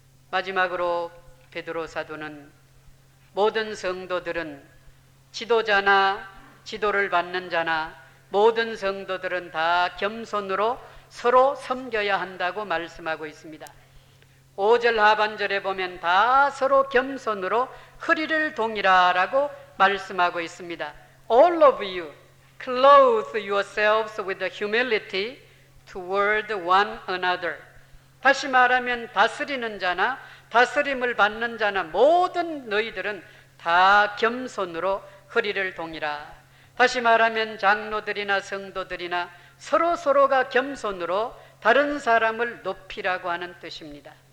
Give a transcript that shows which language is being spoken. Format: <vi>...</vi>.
<ko>마지막으로 베드로 사도는 모든 성도들은 지도자나 지도를 받는 자나 모든 성도들은 다 겸손으로 서로 섬겨야 한다고 말씀하고 있습니다. 5절 하반절에 보면 다 서로 겸손으로 허리를 동이라라고 말씀하고 있습니다.</ko> <en>All of you clothe yourselves with the humility toward one another.</en> <ko>다시 말하면 다스리는 자나 다스림을 받는 자나 모든 너희들은 다 겸손으로 허리를 동이라. 다시 말하면 장로들이나 성도들이나 서로서로가 겸손으로 다른 사람을 높이라고 하는 뜻입니다.</ko>